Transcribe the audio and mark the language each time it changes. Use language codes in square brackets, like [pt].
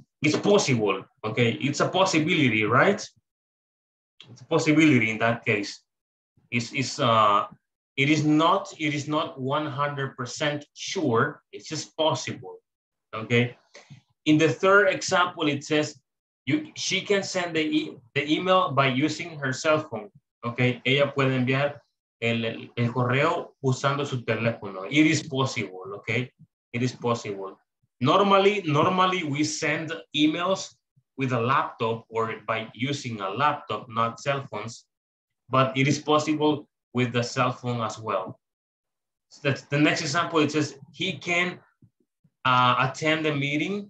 [en] It's possible, okay? It's a possibility, right? It's a possibility in that case. It is not 100% sure, it's just possible, okay? In the third example, it says, she can send the email by using her cell phone, okay? [es] Ella puede enviar el correo usando su teléfono. [en] It is possible, okay? It is possible. Normally we send emails with a laptop or by using a laptop, not cell phones, but it is possible with the cell phone as well. So that's the next example. It says he can attend the meeting.